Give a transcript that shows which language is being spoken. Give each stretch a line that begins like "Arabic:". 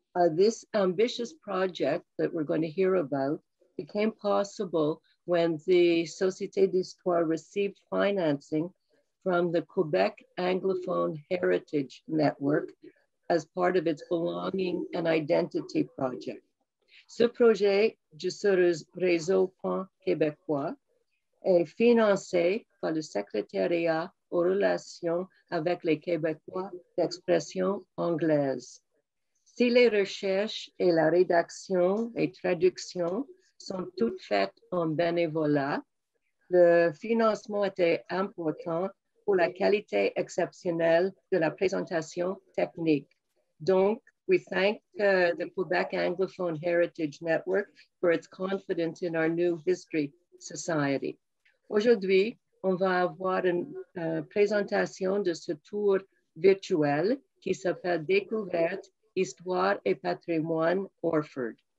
English: This ambitious project that we're going to hear about became possible when the Société d'Histoire received financing from the Quebec Anglophone Heritage Network as part of its belonging and identity project.
French: Ce projet, du réseau pan-québécois, est financé par le secrétariat aux relations avec les Québécois d'expression anglaise. Si les recherches et la rédaction et traduction sont toutes faites en bénévolat, le financement était important pour la qualité exceptionnelle de la présentation technique.
English: Donc, we thank the Quebec Anglophone Heritage Network for its confidence in our new history society.
French: Aujourd'hui, on va avoir une présentation de ce tour virtuel qui s'appelle Découverte, Histoire et Patrimoine Orford.